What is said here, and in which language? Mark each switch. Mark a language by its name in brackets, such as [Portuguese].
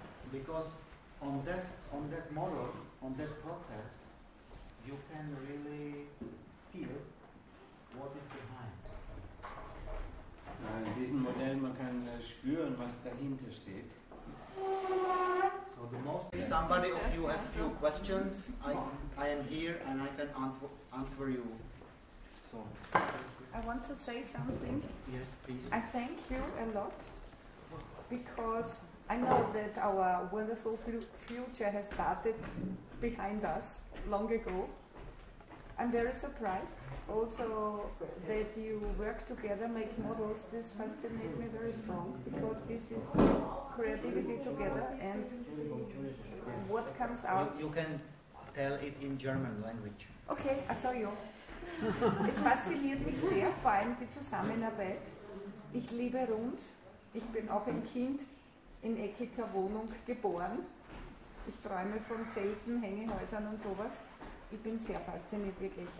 [English] Because on that model, on that process, you can really feel what is behind. [German] In diesem Modell man kann spüren, was dahinter steht. [English] So the most, if somebody of you have few questions, I am here and I can answer you. So I want to say something. Yes, please. I thank you a lot because I know that our wonderful future has started behind us long ago. I'm very surprised also that you work together, make models. This fascinates me very strong because this is creativity together and what comes out. You can tell it in German language. Okay, I saw you. [German] Es fasziniert mich sehr, vor allem die Zusammenarbeit. Ich liebe rund. Ich bin auch ein Kind in eckiger Wohnung geboren. Ich träume von Zelten, Hängehäusern und sowas. Ich bin sehr fasziniert, wirklich.